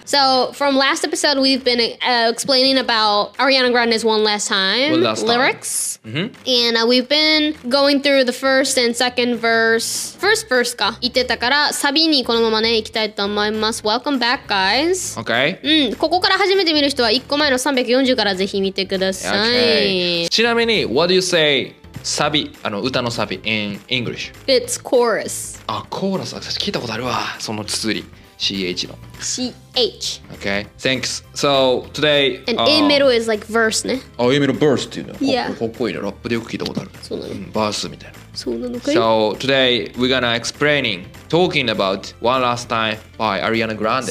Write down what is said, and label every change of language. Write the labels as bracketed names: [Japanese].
[English] So, from last episode, we've been explaining about Ariana Grande's One Last Time lyrics. Mm-hmm. And we've been going through the first and second verse. First verse [Japanese] か。言ってたから、サビにこのままね、行きたいと思います。 [English] Welcome back, guys. Okay. [Japanese] ここから初めて見る人は、1個前の340からぜひ見てください。 [English] Okay. [Japanese] ちなみに、 [English] What do you say? [Japanese] サビ、あの歌のサビ [English] in English. It's chorus. [Japanese] あ、コーラス、私聞いたことあるわ。そのつづり、CH の。 [English] CH. Okay, thanks. So, today... And A middle is like verse, ね。あ、A middle verse [Japanese] っていうの。 [English] Yeah. [Japanese] かっこいいね。ラップでよく聞いたことある。そうなの。バースみたいな。そうなのかい? [English] So, today, we're gonna explaining, talking about One Last Time by Ariana Grande.